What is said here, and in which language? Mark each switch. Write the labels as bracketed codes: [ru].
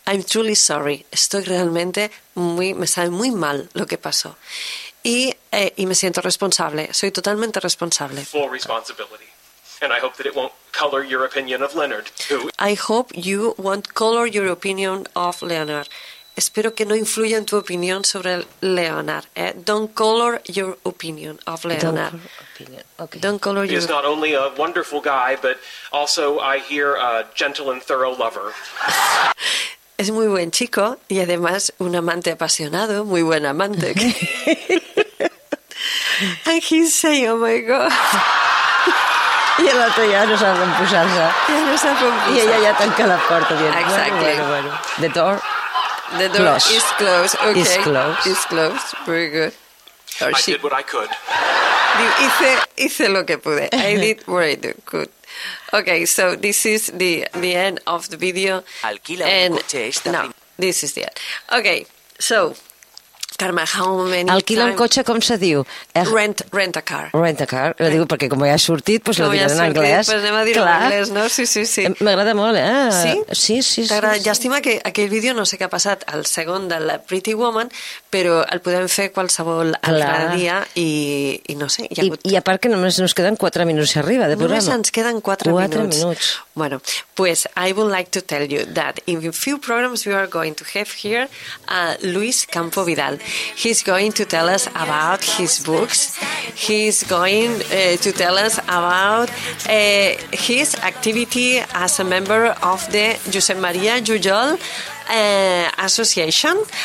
[en] I'm truly sorry. [es] Estoy realmente muy... Me sabe muy mal lo que pasó. Y me siento responsable. Soy totalmente responsable. [en] Full responsibility. And I hope that it won't color your opinion of Leonard, too. I hope you won't color your opinion of Leonard. [es] Espero que no influya en tu opinión sobre Leonard. [en] Eh? Don't color your opinion of Leonard. He's not only a wonderful guy, but also, I hear, a gentle and thorough lover. [es] Es muy buen chico y además un amante apasionado, muy buen amante. [en] And he's saying, oh my God... [ca] I l'altre ja no sap on posar-se. Ja no sap on posar-se. I ella ja tanca la porta. Dient, [en] exactly. [es] Bueno. [en] The door close. Is closed. Okay. Is closed. Is closed. Very good. Or I did what I could. [ca] Diu, [es] hice lo que pude. [en] I did what I did. Good. Okay, so this is the end of the video. [es] Alquila un coche esta. [en] No, this is the end. Okay, so... Carme, how many [es] alquila [en] time? [ca] Un cotxe, com se diu? [en] Rent a car. Rent a car. [ca] Ho diu perquè com ja ha sortit, doncs com la diré ja en anglès. Pues anem a dir-ho en anglès, no? Sí, sí, sí. M'agrada molt, eh? Sí? Sí, sí, t'agrada. Sí, sí. Llàstima que aquell vídeo, no sé què ha passat, el segon de la Pretty Woman, però el podem fer qualsevol altre dia i no sé. I a part que només ens queden 4 minuts si arriba de programa. Només ens queden 4 minuts. [en] Bueno, pues I would like to tell you that in a few programs we are going to have here Luis Campo Vidal. He's going to tell us about his books. he's going to tell us about his activity as a member of the Josep Maria Jujol Association.